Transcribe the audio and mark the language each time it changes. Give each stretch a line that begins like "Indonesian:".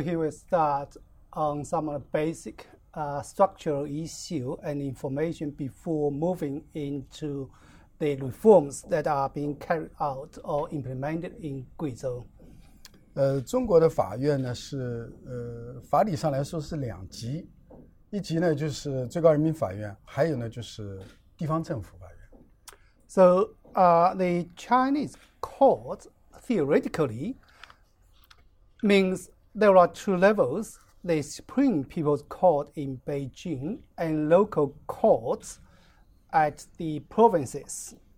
English: he will start on some basic structural issue and information before moving into the reforms that are being carried out or implemented in Guizhou.
Chinese: 中国的法院呢是法理上来说是两级，一级呢就是最高人民法院，还有呢就是地方政府法院。
English: So the Chinese court theoretically means there are two levels: the Supreme People's Court in Beijing and local courts at the provinces.